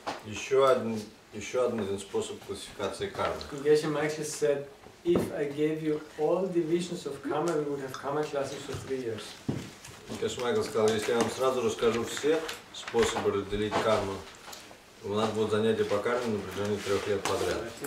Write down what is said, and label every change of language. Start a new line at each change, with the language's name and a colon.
Russian: Еще один способ классификации кармы.
English: Geshe Meister said, if I gave you all divisions of karma, we would have karma classes for 3 years.
Russian: Geshe Meister сказал, если я вам сразу расскажу все способы разделить карму, у нас будут занятия по карме на протяжении 3 лет подряд.